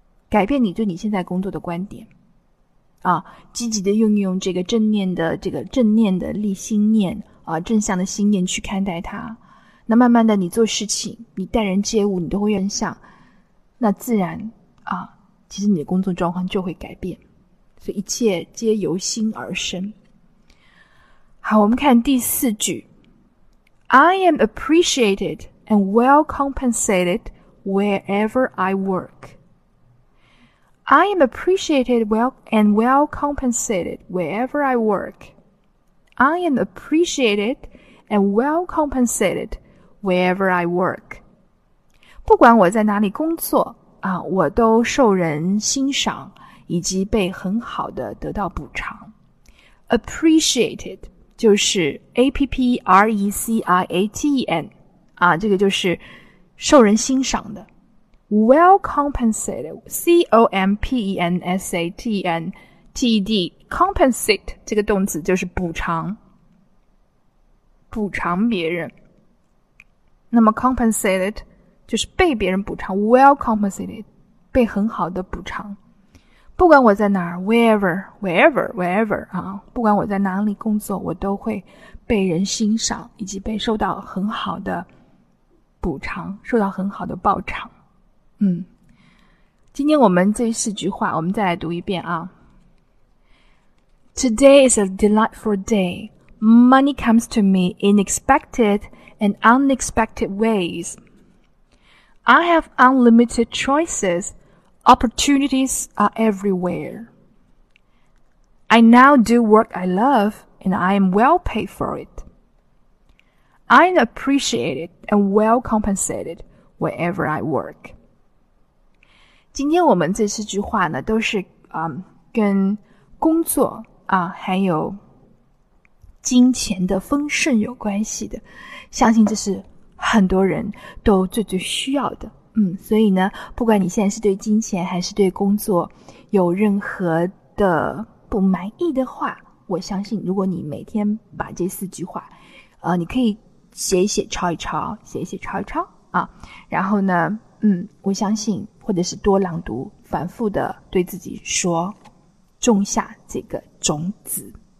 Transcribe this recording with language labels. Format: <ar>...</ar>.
<zh>改变你对你现在工作的观点啊，积极的运用这个正念的力心念啊，正向的心念去看待它，那慢慢的你做事情，你待人接物，你都会正向，那自然啊，其实你的工作状况就会改变，所以一切皆由心而生。好，我们看第四句。</zh> <en>I am appreciated and well compensated wherever I work. I am appreciated and well compensated wherever I work. I am appreciated and well compensated wherever I work.</en> <zh>不管我在哪里工作啊，我都受人欣赏以及被很好的得到补偿。 appreciated 就是 appreciated 啊，这个就是受人欣赏的。</zh> <en>Well compensated,</en> <zh>C-O-M-P-E-N-S-A-T-E-N-T-E-D, compensate 这个动词就是补偿，补偿别人。那么 compensated 就是被别人补偿 ，</zh> <en>well compensated</en> <zh>被很好的补偿。不管我在哪儿 ，wherever 啊，不管我在哪里工作，我都会被人欣赏，以及被受到很好的补偿，受到很好的报偿。今天我们这四句话我们再来读一遍啊。</zh> <en>Today is a delightful day. Money comes to me in expected and unexpected ways. I have unlimited choices. Opportunities are everywhere. I now do work I love and I am well paid for it. I am appreciated and well compensated wherever I work.</en> <zh>今天我们这四句话呢都是跟工作啊还有金钱的丰盛有关系的。相信这是很多人都最最需要的。所以呢不管你现在是对金钱还是对工作有任何的不满意的话，我相信如果你每天把这四句话你可以写一写抄一抄啊，然后呢我相信或者是多朗读，反复的对自己说，种下这个种子。</zh>